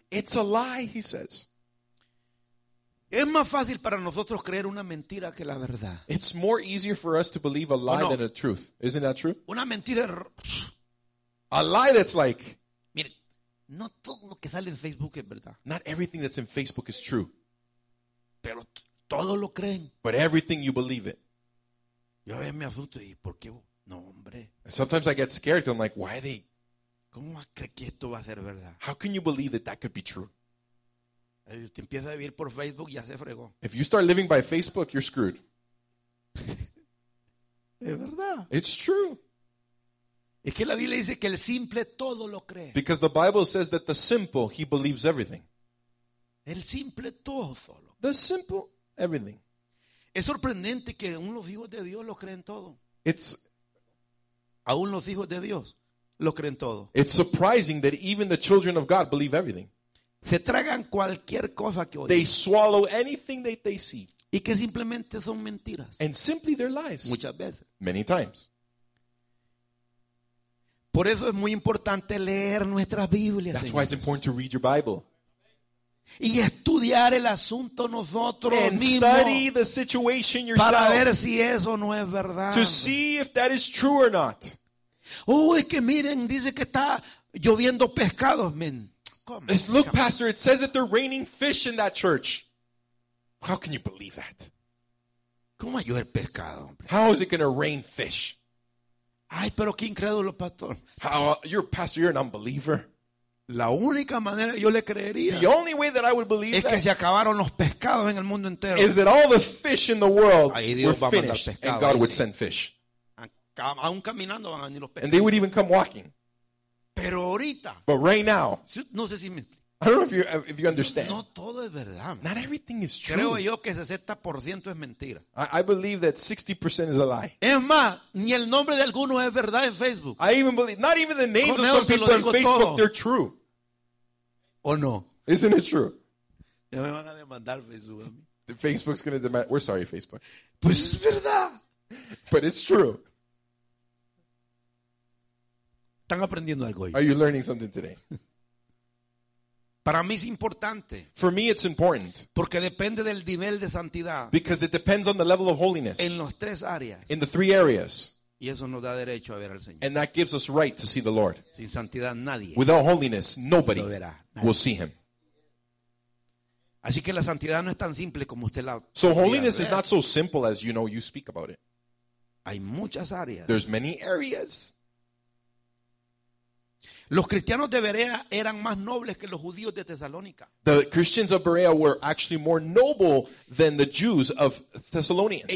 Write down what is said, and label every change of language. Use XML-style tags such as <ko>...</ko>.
<en>It's a lie, he says.</en> <es>Es más fácil para nosotros creer una mentira que la verdad.</es> <en>It's more easier for us to believe a lie than a truth. Isn't that true?</en> <es>Una mentira.</es> <en>A lie that's like,</en> <es>mire, no todo lo que sale en Facebook es verdad.</es> <en>Not everything that's in Facebook is true.</en> <es>Pero todo lo creen.</es> <en>But everything you believe it.</en> <es>Yo a veces me asusto y por qué, no hombre.</es> <en>Sometimes I get scared because I'm like, why are they?</en> <es>¿Cómo crees que esto va a ser verdad?</es> <en>How can you believe that could be true?</en> <es>Si te empiezas a vivir por Facebook ya se fregó.</es> <en>If you start living by Facebook, you're screwed.</en> <es>Es verdad.</es> <en>It's true.</en> <es>Es que la Biblia dice que el simple todo lo cree.</es> <en>Because the Bible says that the simple, he believes everything.</en> <es>El simple todo lo cree.</es> <en>The simple, everything.</en> <es>Es sorprendente que aún los hijos de Dios lo creen todo.</es> <en>It's,</en> <es>aún los hijos de Dios lo creen todo.</es> <en>It's surprising that even the children of God believe everything.</en> <es>Se tragan cualquier cosa que oyen.</es> <en>They swallow anything that they see.</en> <es>Y que simplemente son mentiras.</es> <en>And simply they're lies.</en> <es>Muchas veces.</es> <en>Many times.</en> <es>Por eso es muy importante leer nuestras Biblias.</es> <en>That's why it's important to read your Bible.</en> <es>Y estudiar el asunto nosotros</es> <en>and</en> <es>mismos.</es> <en>Study the situation yourself.</en> <es>Para ver si eso no es verdad.</es> <en>To see if that is true or not.</en> <es>Es que miren, dice que está lloviendo pescados, men.</es> <en>Look, pastor, it says that they're raining fish in that church. How can you believe that?</en> <es>¿Cómo va a llover pescado, hombre?</es> <en>How is it going to rain fish?</en> <es>Ay, pero qué incrédulo, pastor.</es> <en>How, you're a pastor, you're an unbeliever.</en> <es>La única manera yo le creería.</es> <en>The only way that I would believe</en> <es>es</es> <en>that</en> <es>que se acabaron los pescados en el mundo entero.</es> <en>Is that all the fish in the world</en> <es>ahí Dios va</es> <en>finished,</en> <es>a mandar pescado,</es> <en>and God</en> <es>sí</es> <en>would send fish.</en> <es>Aún caminando van a venir los pescados.</es> <en>And they would even come walking.</en> <es>Pero ahorita.</es> <en>But right now.</en> <es>No sé si me,</es> <en>I don't know if you understand.</en> <es>No, no todo es verdad.</es> <en>Not everything is true.</en> <es>Creo yo que 60% es mentira.</es> <en>I believe that 60% is a lie.</en> <es>Es más, ni el nombre de alguno es verdad en Facebook.</es> <en>I even believe, not even the names</en> <es>con</es> <en>of some people on Facebook,</en> <es>todo.</es> <en>They're true.</en> <es>¿O no?</es> <en>Isn't it true?</en> <es>Ya me van a demandar Facebook a mí.</es> <en>Facebook's going to demand, we're sorry Facebook.</en> <es>Pues es verdad.</es> <en>But it's true.</en> <es>Están aprendiendo algo hoy.</es> <en>Are you learning something today?</en> <es>Para mí es importante.</es> <en>For me it's important.</en> <es>Porque depende del nivel de santidad.</es> <en>Because it depends on the level of holiness.</en> <es>En los tres áreas.</es> <en>In the three areas.</en> <es>Y eso nos da derecho a ver al Señor.</es> <en>And that gives us right to see the Lord.</en> <es>Sin santidad nadie.</es> <en>Without holiness nobody will see him.</en> <es>Así que la santidad no es tan simple como usted la.</es> <en>So holiness is not so simple as you know you speak about it.</en> <es>Hay muchas áreas.</es> <en>There's many areas.</en> <es>Los cristianos de Berea eran más nobles que los judíos de Tesalónica.</es> <en>The Christians of Berea were actually more noble than the Jews of Thessalonians.</en>